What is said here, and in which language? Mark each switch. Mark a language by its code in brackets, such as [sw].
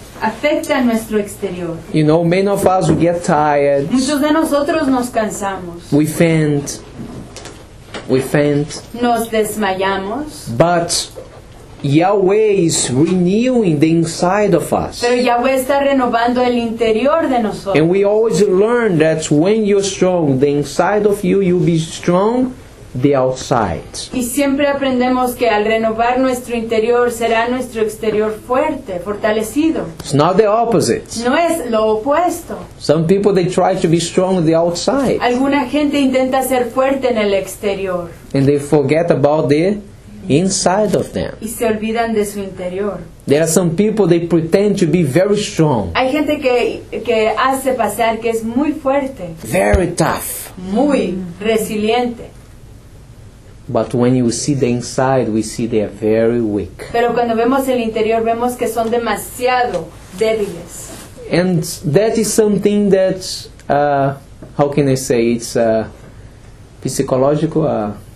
[es] Afecta a nuestro exterior. [en] You know, many of us get tired. [es] Muchos de nosotros nos cansamos. [en] We faint. [es] Nos desmayamos. [en] But Yahweh is renewing the inside of us. [es] Pero Yahweh está renovando el interior de nosotros. [en] And we always learn that when you're strong, the inside of you, you'll be strong. The outside. [es] Y siempre aprendemos que al renovar nuestro interior será nuestro exterior fuerte, fortalecido. [en] It's not the opposite. [es] No es lo opuesto. [en] Some people they try to be strong on the outside. [es] Alguna gente intenta ser fuerte en el exterior. [en] And they forget about the inside of them. [es] Y se olvidan de su interior. [en] There are some people they pretend to be very strong. [es] Hay gente que hace pasar que es muy fuerte. [en] Very tough. [es] Muy resiliente. [en] But when you see the inside, we see they are very weak. [es] Pero cuando vemos el interior, vemos que son demasiado débiles. [en] And that is something that, how can I say, it's psychological?